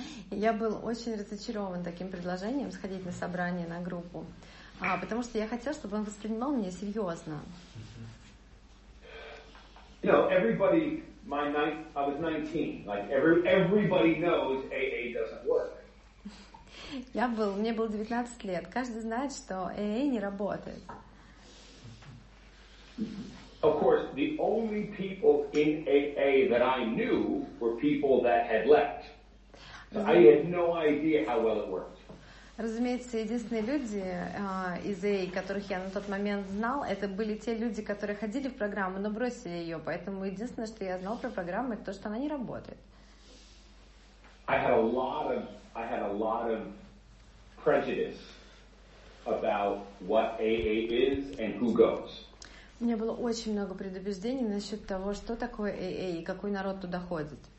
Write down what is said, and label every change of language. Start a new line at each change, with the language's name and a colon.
Russian: Я был очень разочарован таким предложением сходить на собрание на группу, потому что я хотел, чтобы он воспринимал меня серьезно.
English: You know, everybody, I was 19. Like everybody knows AA doesn't work.
Russian: Мне было 19 лет. Каждый знает, что AA не работает.
English: Of course, the only people in AA that I knew were people that had left. I had no idea how well it worked.
Russian: Разумеется, единственные люди из AA, которых я на тот момент знал, это были те люди, которые ходили в программу, но бросили ее. Поэтому единственное, что я знал про программу, это то, что она не работает.
English: I had a lot of prejudice about what AA is and who goes.
Russian: У меня было очень много предубеждений насчет того, что такое AA и какой народ туда ходит.